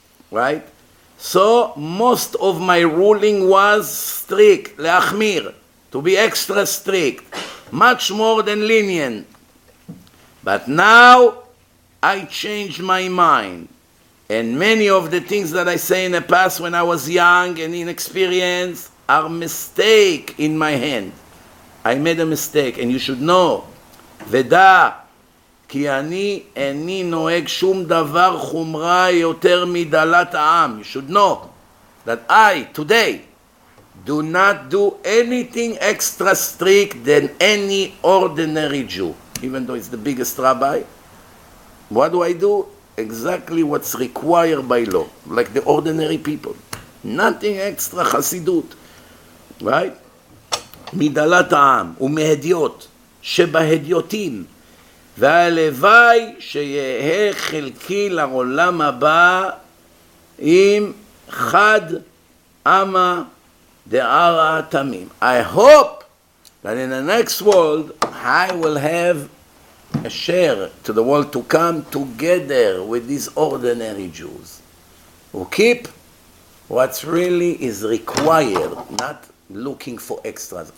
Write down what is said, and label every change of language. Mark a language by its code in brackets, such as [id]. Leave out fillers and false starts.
[en] Right? So, most of my ruling was strict, leachmir, to be extra strict, much more than lenient. But now, I changed my mind. And many of the things that I say in the past when I was young and inexperienced are mistake in my hand. I made a mistake, and you should know. [he] Veda, כי אני איני נוהג שום דבר חומרה יותר מדלת העם. [en] You should know that I, today, do not do anything extra strict than any ordinary Jew. Even though it's the biggest rabbi. What do I do? Exactly what's required by law. Like the ordinary people. Nothing extra חסידות. Right? [he] מדלת העם ומהדיות שבהדיותים. והלוואי שיהיה חלקי לעולם הבא עם חד אמה דערה תמים. [en] I hope that in the next world I will have a share to the world to come together with these ordinary Jews who keep what really is required, not looking for extras.